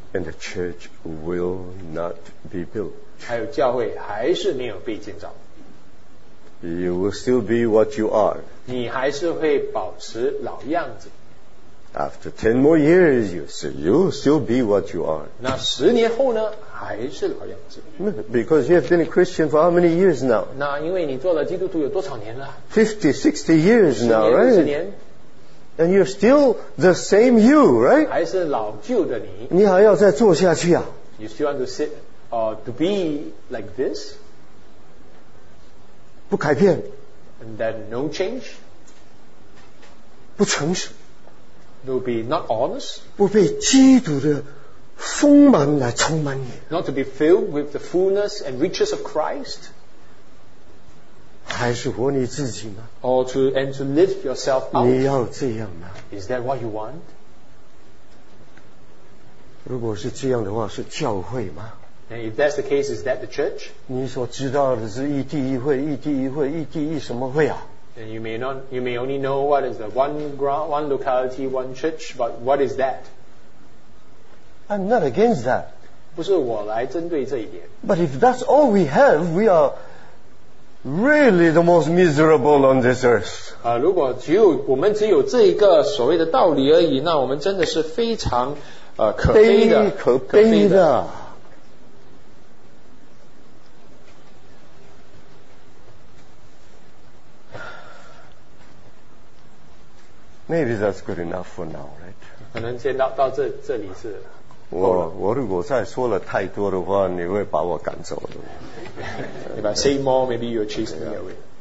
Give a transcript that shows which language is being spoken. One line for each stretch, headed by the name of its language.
English: And the church will not be built.
Chinese: 还有教会还是没有被建造。
English: You will still be what you are.
Chinese: 你还是会保持老样子。
English: After 10 more years, you'll still be what you are.
Chinese: 那十年后呢？还是老样子。
English: Because you have been a Christian for how many years now?
Chinese: 那因为你做了基督徒有多少年了？
English: 50, 60 years now, right?
Chinese: 50年。
English: And you're still the same you, right?
Chinese: 还是老旧的你。你还要再做下去啊？
English: You still want to sit, to be like this?
Chinese: 不改变。
English: And then no change?
Chinese: 不诚实。
English: You'll be not honest?
Chinese: 不被基督的丰满来充满你。
English: Not to be filled with the fullness and riches of Christ?
Chinese: 还是活你自己吗？
English: Or to, and to live yourself out?
Chinese: 你要这样吗？
English: Is that what you want?
Chinese: 如果是这样的话，是教会吗？
English: And if that's the case, is that the church?
Chinese: 你所知道的是一地一会，一地一会，一地一什么会啊？
English: And you may only know what is the one ground, one locality, one church, but what is that? I'm not against that.
Chinese: 不是我来针对这一点。
English: But if that's all we have, we are really the most miserable on this earth.
Chinese: 如果只有我们只有这一个所谓的道理而已，那我们真的是非常可悲的，可悲的。
English: Maybe that's good enough for now, right?
Chinese: 可能先到这里是。我如果再说了太多的话，你会把我赶走的。
English: If I say more, maybe you'll chase me away.